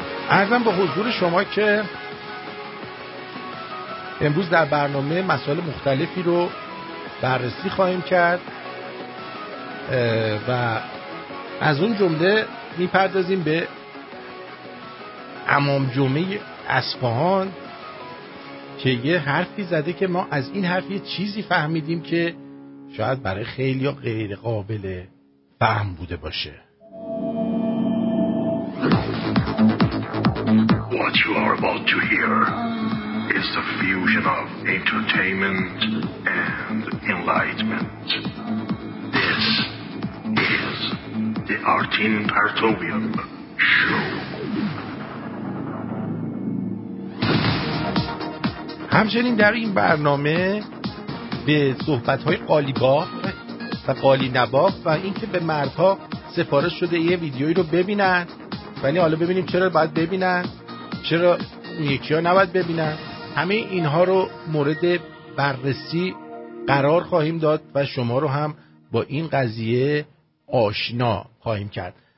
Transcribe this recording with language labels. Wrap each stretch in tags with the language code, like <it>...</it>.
<fa>عرضم به حضور شما که امروز در برنامه مسائل مختلفی رو بررسی خواهیم کرد و از اون جمله میپردازیم به امام جمعه اصفهان که یه حرفی زده که ما از این حرف یه چیزی فهمیدیم که شاید برای خیلی ها غیر قابل فهم بوده باشه.</fa> <en>What you are about to hear is the fusion of entertainment and enlightenment. This is the Artin Partovian Show.</en> <fa>همچنین در این برنامه به صحبت‌های قالیباف و قالی نباف و اینکه به مردها سفارش شده یه ویدیویی رو ببینن، ولی حالا ببینیم چرا باید ببینن، چرا یکی ها نباید ببینن، همه اینها رو مورد بررسی قرار خواهیم داد و شما رو هم با این قضیه آشنا خواهیم کرد.</fa>